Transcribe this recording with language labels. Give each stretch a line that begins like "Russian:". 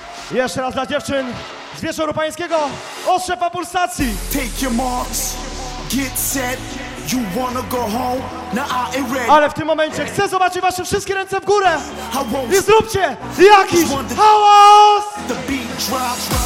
Polish: Jeszcze raz dla dziewczyn z Wieczoru Pańskiego, Ostrzepa Pulsacji.
English: Take your marks, get set, you wanna go home, now I ain't ready.
Polish: Ale w tym momencie chcę zobaczyć wasze wszystkie ręce w górę i zróbcie jakiś hałas!
English: The beat drop.